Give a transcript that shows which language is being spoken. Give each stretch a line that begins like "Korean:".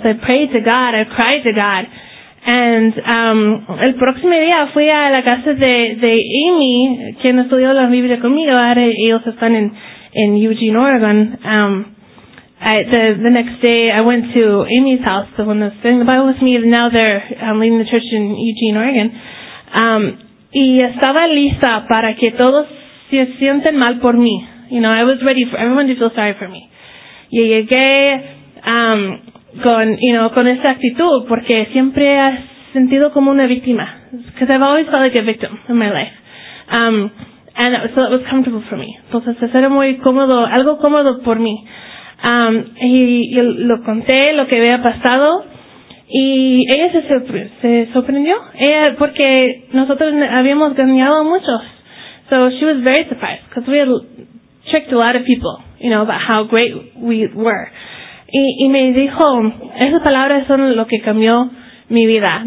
English: I prayed to God, I cried to God. And
Spanish: el próximo día fui a la casa de Amy, quien estudió la Biblia conmigo. Ahora ellos están en Eugene, Oregon.
English: The next day, I went to Amy's house, the one that's studying the Bible with me, and now they're leading the church in Eugene, Oregon.
Spanish: Y estaba lista para que todos se sienten mal por mí.
English: You know, I was ready for everyone to feel sorry for me.
Spanish: Y llegué con, you know, con esa actitud, porque siempre he sentido como una víctima.
English: Because I've always felt like a victim in my life. And so it was comfortable for me.
Spanish: Entonces, eso era muy cómodo, algo cómodo por mí. Y lo conté lo que había pasado y ella se sorprendió ella porque nosotros habíamos engañado a muchos.
English: So she was very surprised because we had tricked a lot of people, you know, about how great we were.
Spanish: Y me dijo, esas palabras son lo que cambió mi vida.